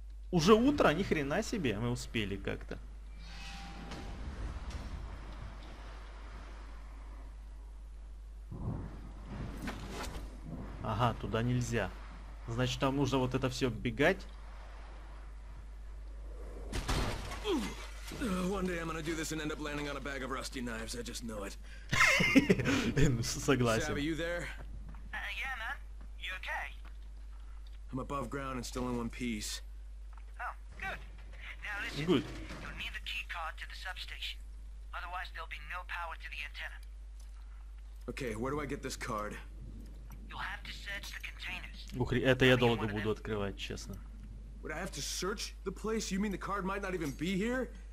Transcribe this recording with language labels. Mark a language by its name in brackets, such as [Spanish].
[Russian] Уже утро, ни хрена себе, мы успели как-то. Ага, туда нельзя. Значит, там нужно вот это все оббегать. [English] One day I'm gonna do this and end up landing on a bag of rusty knives. I just know it. [Russian] Согласен. [English] Savvy, you there? Yeah, man. You okay? I'm above ground and still in one piece. Oh, good. Now listen. Good. You'll need the key card to the substation. Otherwise, there'll be no power to the antenna. Okay, where do I get this card? You'll have to search the containers. [Russian] Ух, это я долго буду открывать, честно. [English] Would I have to search the place? You mean the card might not even be here?